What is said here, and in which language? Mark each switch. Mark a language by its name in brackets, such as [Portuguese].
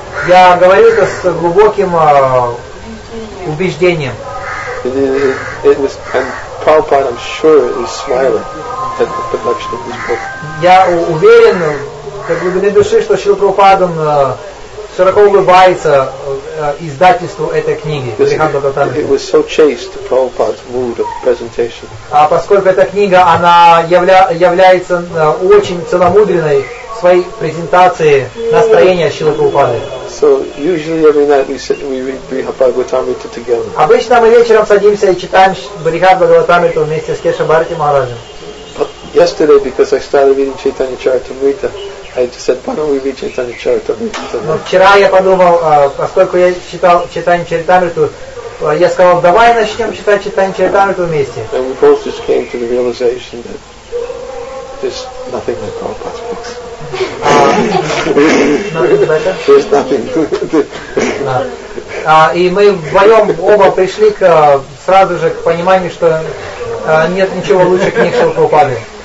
[Russian] Я говорю это с глубоким убеждением. [English] And Prabhupada, I'm sure, is smiling at the production of this book. [Russian] Я уверен, до глубины души, что Шрила Прабхупада широко улыбается издательству этой книги. [English] It was so chaste, Prabhupada's mood of presentation. [Russian] А поскольку эта книга, она является очень целомудренной в своей презентации настроения Шрилы Прабхупады. [English] So usually every night we sit and we read Brihad Bhagavatamrita together. [Russian] Обычно мы вечером садимся и читаем Брихад Бхагаватамриту вместе с Кешава Бхарати Махараджем. [English] But yesterday, because I started reading Chaitanya Charitamrita, I just said, why don't we read Chaitanya Charitamrita? [Russian] Но вчера я подумал, поскольку я читал Chaitanya Charitamrita, я сказал, давай начнем читать Chaitanya Charitamrita вместе. [English] And we both just came to the realization that there's nothing like Prabhupada's books. There's nothing. [Russian] И мы вдвоем оба пришли сразу же к пониманию, что нет ничего лучше книг Шрилы Прабхупады.